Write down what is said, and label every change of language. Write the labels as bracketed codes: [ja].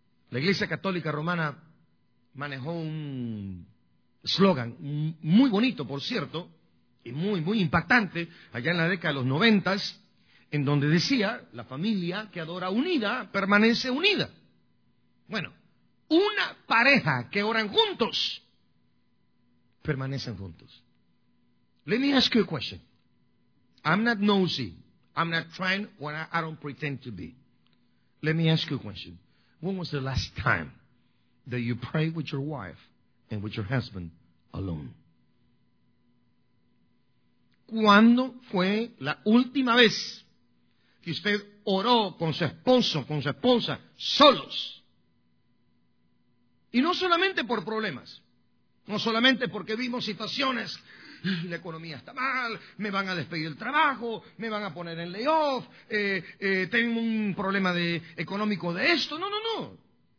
[es] La Iglesia Católica Romana manejó un slogan muy bonito, por cierto, y muy, muy impactante, allá en la década de los 90s, en donde decía, la familia que adora unida, permanece unida. Bueno, una pareja que oran juntos, permanecen juntos. [en] Let me ask you a question. I'm not nosy. I'm not trying when I don't pretend to be. Let me ask you a question. When was the last time that you prayed with your wife and with your husband alone? [es] ¿Cuándo fue la última vez que usted oró con su esposo, con su esposa, solos? Y no solamente por problemas, no solamente porque vimos situaciones, la economía está mal, me van a despedir del trabajo, me van a poner en layoff, tengo un problema de, económico de esto, no, no, no.